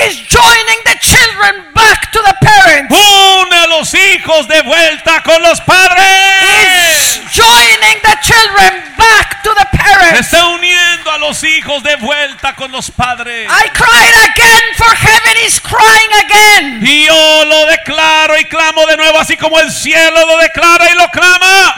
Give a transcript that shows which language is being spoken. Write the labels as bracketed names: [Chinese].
[English] Is joining the children back to the parents. [Spanish] Une a los hijos de vuelta con los padres. [English] Is joining the children back to the parents. [Spanish] Está uniendo a los hijos de vuelta con los padres. [English] I cried again, for heaven is crying again. [Spanish] Y yo lo declaro y clamo de nuevo, así como el cielo lo declara y lo clama.